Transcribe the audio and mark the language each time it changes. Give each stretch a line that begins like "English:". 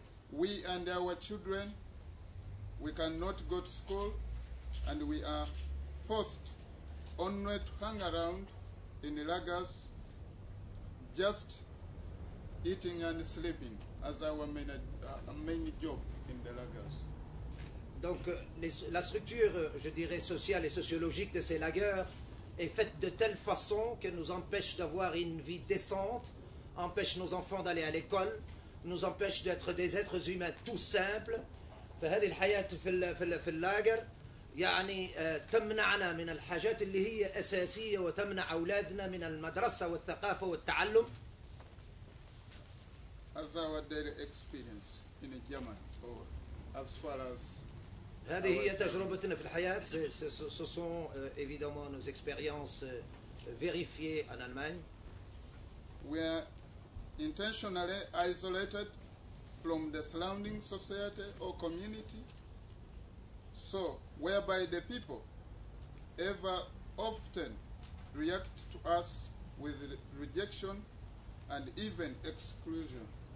English: We and our children, we cannot go to school, and we are forced only to hang around in lagers, just eating and sleeping as our main job in the lagers.
French: Donc la structure, je dirais, sociale et sociologique de ces lagers est faite de telle façon qu'elle nous empêche d'avoir une vie décente, empêche nos enfants d'aller à l'école, nous empêche d'être des êtres humains tout simples.
Arabic: فهذه الحياة في اللاجر يعني تمنعنا من الحاجات اللي هي أساسية وتمنع أولادنا من المدرسة والثقافة والتعلم.
English: As our daily experience in Germany, or as far as
Arabic: هذه هي تجربتنا في الحياة.
French: Ce sont évidemment nos expériences vérifiées en Allemagne.
English: We are intentionally isolated from the surrounding society or community, so whereby the people ever often react to us with rejection and even exclusion.